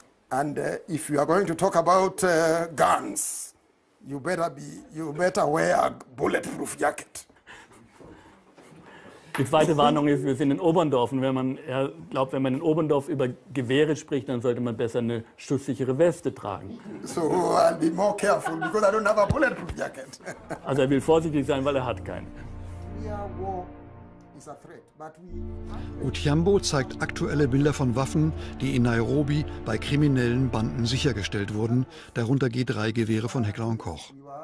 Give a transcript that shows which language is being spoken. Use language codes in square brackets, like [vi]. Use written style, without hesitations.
[en] And if you are going to talk about guns, you better wear a bulletproof jacket. [de] Die zweite Warnung ist, wir sind in Oberndorf. Und wenn man in Oberndorf über Gewehre spricht, dann sollte man besser eine schusssichere Weste tragen. So, I'll be more careful, because I don't have a bulletproof jacket. Also er will vorsichtig sein, weil er hat keinen. Utiambo zeigt aktuelle Bilder von Waffen, die in Nairobi bei kriminellen Banden sichergestellt wurden, darunter G3-Gewehre von Heckler & Koch.